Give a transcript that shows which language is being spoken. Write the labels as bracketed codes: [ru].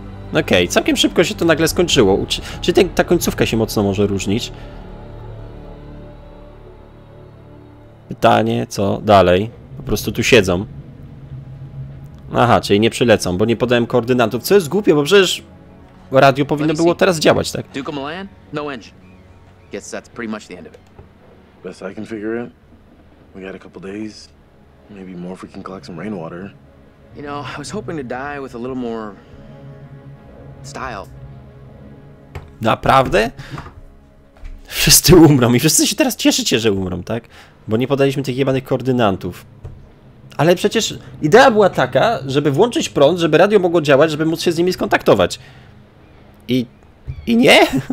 [pl] Okej, okay, całkiem szybko się to nagle skończyło. Czy ta końcówka się mocno może różnić? pytanie, co dalej? Po prostu tu siedzą. Aha, czyli nie przylecą, bo nie podałem koordynatów. Co jest głupie, bo przecież radio powinno było teraz działać, tak? [en] Duke of Milan? No engine. Guess that's pretty much the end of it. Best I can figure it. We got a couple days. Maybe more if we can collect some rainwater. You know, I was hoping to die with a little more style. [pl] Naprawdę? Wszyscy umrą i wszyscy się teraz cieszycie, że umrą, tak? Bo nie podaliśmy tych jebanych koordynatów. Ale przecież idea była taka, żeby włączyć prąd, żeby radio mogło działać, żeby móc się z nimi skontaktować. I nie?